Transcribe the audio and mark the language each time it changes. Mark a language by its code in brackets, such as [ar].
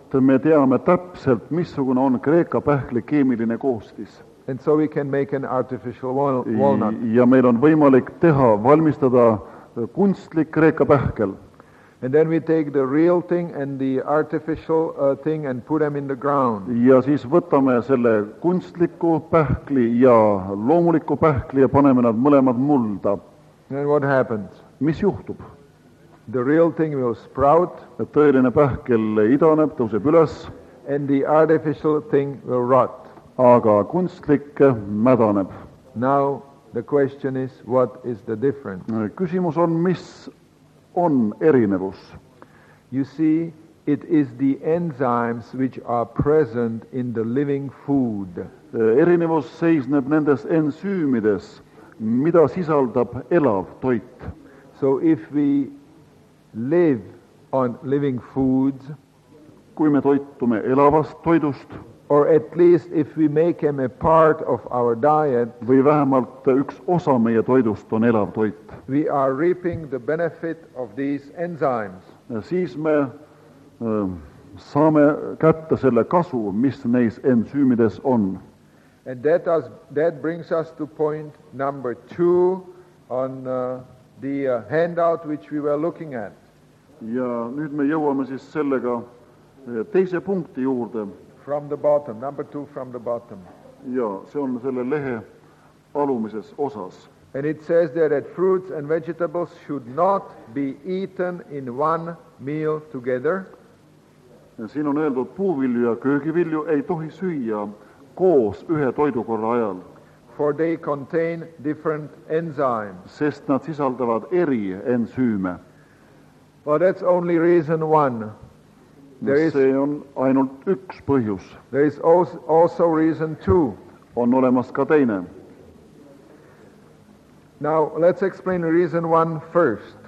[et] Me teame täpselt, missugune on kreeka pähkli keemiline koostis. [en] And so we can make an artificial walnut. [et] Ja meil on võimalik teha, valmistada kunstlik kreeka pähkel. [en] And then we take the real thing and the artificial thing and put them in the ground. [et] Ja siis võtame selle kunstliku pähkli ja loomuliku pähkli ja paneme nad mõlemad mulda. [en] And what happens? [et] Mis juhtub? [en] The real thing will sprout. [et] Tõeline pähkel idaneb, tõuseb üles. [en] And the artificial thing will rot. [et] Aga kunstlik mädaneb. [en] Now the question is, what is the difference? [et] Küsimus on, mis on erinevus. [en] You see, it is the enzymes which are present in the living food. [et] Erinevus seisneb nendes ensüümides, mida sisaldab elav toit. [en] So if we live on living foods, [et] kui me toitume elavast toidust, [en] or at least if we make them a part of our diet, [et] või vähemalt üks osa meie toidust on elav toit, [en] we are reaping the benefit of these enzymes. [et] Siis me saame kätte selle kasu, mis neis ensüümides on. [en] And that brings us to point number two on the handout which we were looking at. [et] Ja nüüd me jõuame siis sellega teise punkti juurde. [en] From the bottom, number two from the bottom. [et] Ja see on selle lehe alumises osas. [en] And it says there that fruits and vegetables should not be eaten in one meal together. [et] Ja siin on öeldud, puuvilju ja köögivilju ei tohi süüa koos ühe toidukorra ajal. [en] For they contain different enzymes. [et] Sest nad sisaldavad eri ensüüme. [en] Well, that's only reason one. [et] See on ainult üks põhjus. [en] There is also reason two. [et] On olemas ka teine. [en] Now, let's explain reason one first.